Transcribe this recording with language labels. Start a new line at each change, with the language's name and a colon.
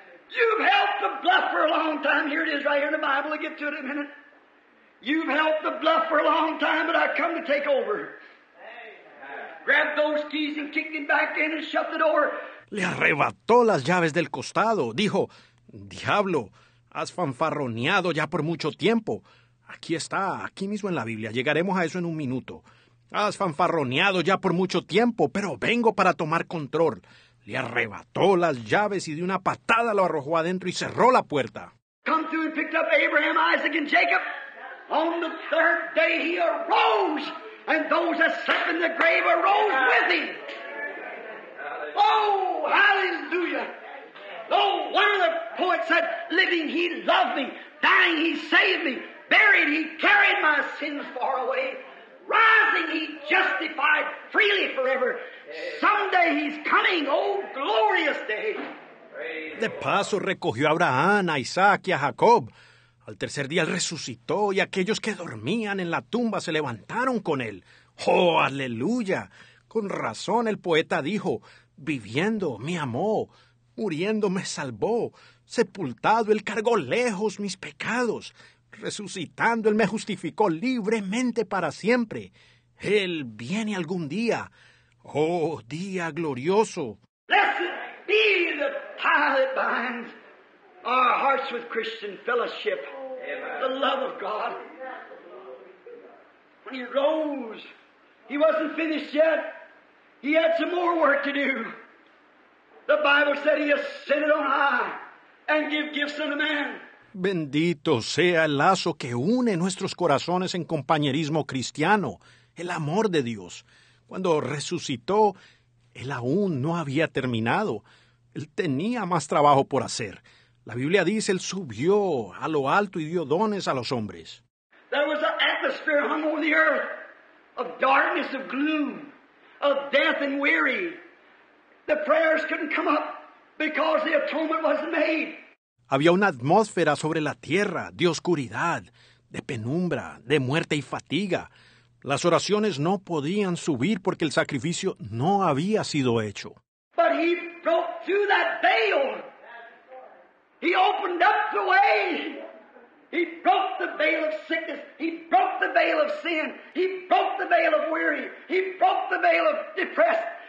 English: You've helped the bluff for a long time. Here it is right here in the Bible. I'll get to it in a minute. You've helped the bluff for a long time, but I've come to take over. Grabbed those keys and kicked him back in and shut the door.
Spanish: Le arrebató las llaves del costado. Dijo, diablo, has fanfarroneado ya por mucho tiempo. Aquí está, aquí mismo en la Biblia. Llegaremos a eso en un minuto. Has fanfarroneado ya por mucho tiempo, pero vengo para tomar control. Le arrebató las llaves y de una patada lo arrojó adentro y cerró la puerta.
English: Come through and picked up Abraham, Isaac, and Jacob. On the third day he arose, and those that slept in the grave arose with him. Oh, hallelujah. Oh, one of the poets said, living he loved me, dying he saved me, buried he carried my sins far away, rising he justified freely forever. Someday he's coming, oh, glorious day.
Spanish: De paso recogió a Abraham, a Isaac y a Jacob. Al tercer día él resucitó y aquellos que dormían en la tumba se levantaron con él. Oh, aleluya. Con razón el poeta dijo, viviendo me amó, muriendo me salvó, sepultado él cargó lejos mis pecados, resucitando él me justificó libremente para siempre. Él viene algún día. Oh, día glorioso.
English: Blessed be the tie that binds our hearts with Christian fellowship. The love of God. When he rose, he wasn't finished yet. He had some more work to do. The Bible said he ascended on high and gave gifts unto man.
Spanish: Bendito sea el lazo que une nuestros corazones en compañerismo cristiano, el amor de Dios. Cuando resucitó, él aún no había terminado. Él tenía más trabajo por hacer. La Biblia dice, él subió a lo alto y dio dones a los hombres.
English: There was an atmosphere hung over the earth of darkness, of gloom, of death and weary. The prayers couldn't come up because the atonement wasn't made.
Spanish: Había una atmósfera sobre la tierra de oscuridad, de penumbra, de muerte y fatiga. Las oraciones no podían subir porque el sacrificio no había sido hecho.
English: But he broke through that veil. He opened up the way. He broke the veil of sickness. He broke the veil of sin. He broke the veil of weary. He broke the veil of depressed.